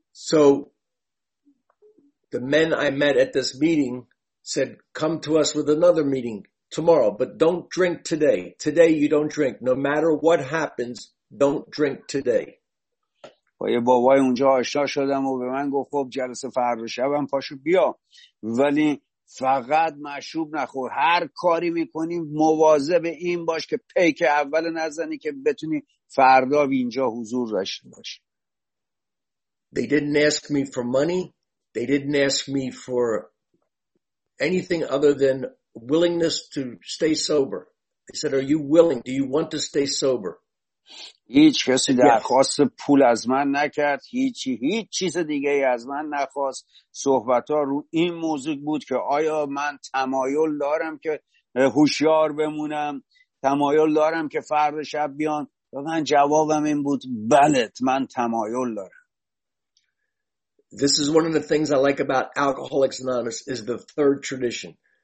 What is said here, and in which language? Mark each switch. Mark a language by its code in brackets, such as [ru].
[en] So the men I met at this meeting said come to us with another meeting tomorrow but don't drink today. Today you don't drink no matter what happens, don't drink today. [fa] با یه بابای اونجا آشنا شدم و به من گفت خب جلسه فردا شبم پاشو بیا، ولی فقط مشروب نخور، هر کاری میکنی مواظب این باش که پیک اول نزنی که بتونی فردا اینجا حضور داشته باشی. [en] They didn't ask me for money, they didn't ask me for anything other than willingness to stay sober. They said are you willing, do you want to stay sober? [fa] هیچ کسی درخواست پول از من نکرد، هیچ چیز دیگه از من نخواست. صحبت ها رو این موضوع بود که آیا من تمایل دارم که هوشیار بمونم، تمایل دارم که فرد شب بیان، و من جوابم این بود بلت، من تمایل دارم. [en] This is one of the things I like about Alcoholics Anonymous is the third tradition.